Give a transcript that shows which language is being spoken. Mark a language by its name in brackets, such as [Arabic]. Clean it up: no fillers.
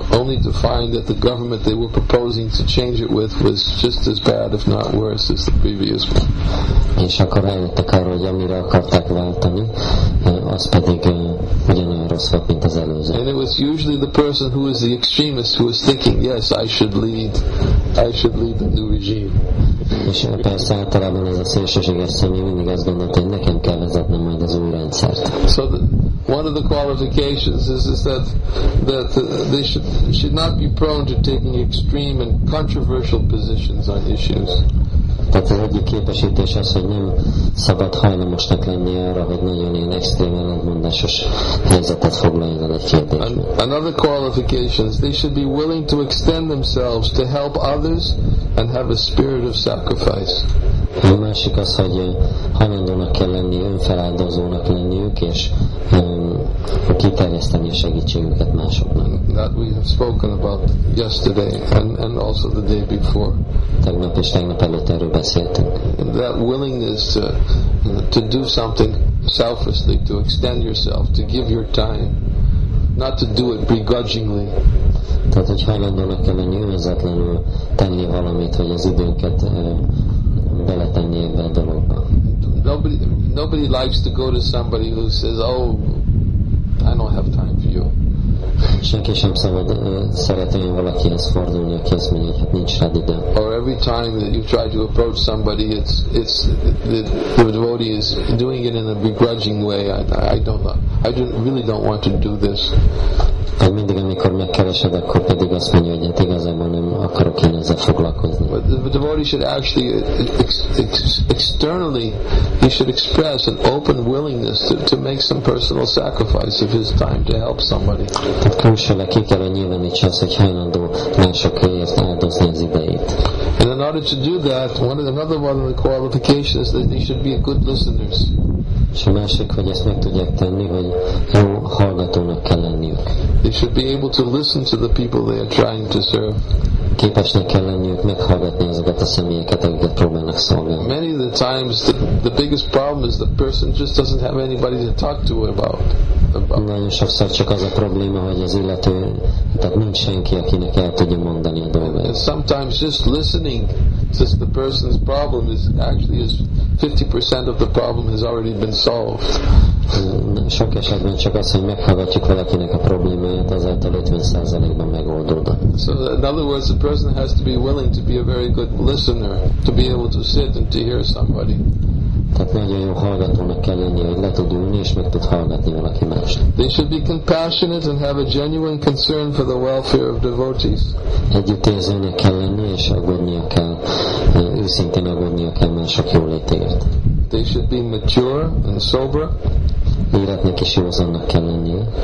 [English] Only to find that the government they were proposing to change it with was just as bad, if not worse, as the previous one. [Hungarian] És akkor rájöttek arra, hogy amire akarták váltani, az pedig ugyanolyan rossz volt, mint az előző. [English] And it was usually the person who was the extremist who was thinking, yes, I should lead the new regime. [Hungarian] És persze általában ez a szélsőséges személy mindig azt gondolta, hogy nekem kell vezetnem majd az új rendszert. [English] So one of the qualifications is that they should not be prone to taking extreme and controversial positions on issues. [Hungarian] Tehát az egyik képesítés az, hogy nem szabad hajlamosnak lenni arra, hogy nagyon ilyen extrém ellentmondásos helyzetet foglaljon el egy kérdésben. [English] Another qualification is they should be willing to extend themselves to help others and have a spirit of sacrifice. [Hungarian] A másik az, hogy hajlandónak kell lenni, önfeláldozónak lenniük, és kiterjeszteni a segítségüket másoknak. [English] That we have spoken about yesterday and also the day before. [Hungarian] Tegnap és tegnap előtt erről beszéltünk. [English] That willingness to do something selflessly, to extend yourself, to give your time, not to do it begrudgingly. [Hungarian] Tehát, hogy hajlandónak kell lenni, önzetlenül tenni valamit, hogy az időnket beletenni ebbe a dologba. [English] nobody likes to go to somebody who says, "Oh, I don't have time for you." [Hungarian] Senki sem szeretné valakihez fordulni, aki azt mondja, hogy hát nincs rád ide. [English] Or every time that you've tried to approach somebody, it's the devotee is doing it in a begrudging way. I really don't want to do this. [Hungarian] Hát mindig, amikor megkeresed, akkor pedig azt mondja, hogy hát igazából nem akarok én ezzel foglalkozni. [English] But the devotee should actually externally, he should express an open willingness to make some personal sacrifice of his time to help somebody. [Hungarian] Tehát külsőleg ki kell nyilvánítsa azt, hogy hajlandó másokért áldozni az idejét. [English] And in order to do that, another one of the qualifications is that he should be a good listener. [Hungarian] És a másik, hogy ezt meg tudják tenni, hogy jó hallgatónak kell lenniük. [English] They should be able to listen to the people they are trying to serve. [Hungarian] Képesnek kell lenniük meghallgatni azokat a személyeket, akiket próbálnak szolgálni. [English] Many of the times the biggest problem is the person just doesn't have anybody to talk to about. [Hungarian] Nagyon sokszor csak az a probléma, hogy az illető, tehát nincs senki, akinek el tudja mondani a dolgát. [English] And sometimes just listening to the person's problem is 50% of the problem has already been solved. [Hungarian] Sok esetben csak az, hogy meghallgatjuk valakinek a problémáját, azáltal 50%-ban megoldódott. [English] So in other words, the person has to be willing to be a very good listener, to be able to sit and to hear somebody. [Hungarian] Tehát nagyon jó hallgatónak kell lenni, hogy le tud ülni és meg tud hallgatni valaki mást. [English] They should be compassionate and have a genuine concern for the welfare of devotees. [Hungarian] Együttérzőnek kell lenni és aggódnia kell, őszintén aggódnia kell mások jólétéért. [English] They should be mature and sober. [Hungarian] Életnek is józannak kell lenni.